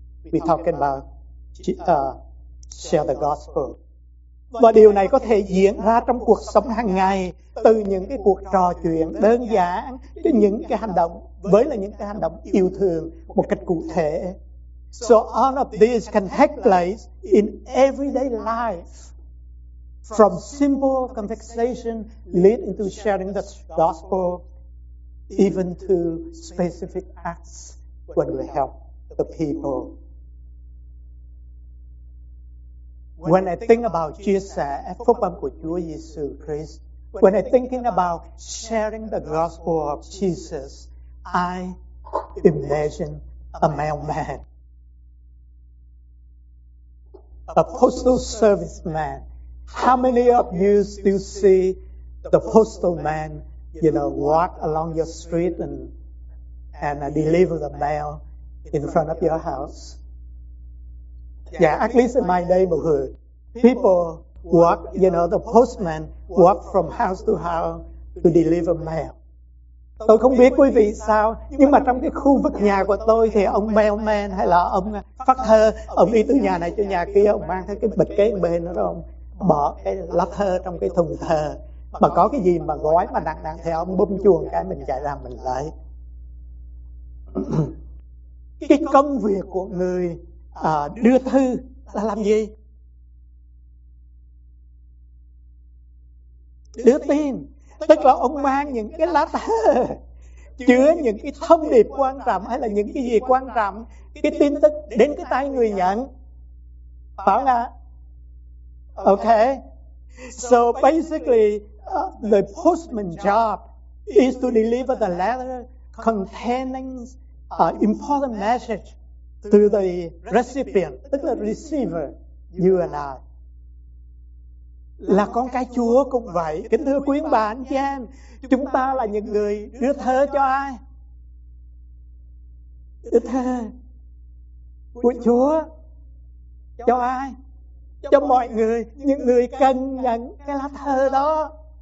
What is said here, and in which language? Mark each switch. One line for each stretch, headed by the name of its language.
English: We're talking about share the gospel.
Vietnamese: Và điều này có thể diễn ra trong cuộc sống hàng ngày, từ những cái cuộc trò chuyện đơn giản đến những cái hành động, với là những cái hành động yêu thương một cách cụ thể.
English: So all of this can take place in everyday life, from simple conversation lead into sharing the gospel, even to specific acts when we help the people. When I think about
Vietnamese: chia sẻ phúc âm của Chúa Giêsu Christ,
English: when I thinking about sharing the gospel of Jesus, I imagine a mailman, a postal serviceman. How many of you still see the postal man, you know, walk along your street and deliver the mail in front of your house? Yeah, at least in my neighborhood, people walk, you know, the postman walk from house to house to deliver mail.
Vietnamese: Tôi không biết quý vị sao, nhưng mà trong cái khu vực nhà của tôi thì ông mailman hay là ông phát thơ, ông đi từ nhà này cho nhà kia, ông mang cái bịch kế bên đó, ông bỏ cái lá thơ trong cái thùng thơ. Mà có cái gì mà gói mà nặng nặng thì ông bung chuồng cái mình chạy ra mình lấy. Cái công việc của người đưa thư là làm gì? Đưa tin. Tức là ông mang những cái lá thơ chứa những cái thông điệp quan trọng hay là những cái gì quan trọng, cái tin tức đến cái tay người nhận. Phải không ạ? Ok.
English: So basically, the postman job is to deliver the letter containing an important message to the recipient,
Vietnamese: tức là
English: receiver, you and I.
Vietnamese: Là con cái Chúa cũng vậy. Kính thưa quý ông bà, anh chị em, chúng ta là những người đưa thơ cho ai? Đưa thơ của Chúa cho ai? Cho mọi người, những người cần nhận cái lá thơ đó.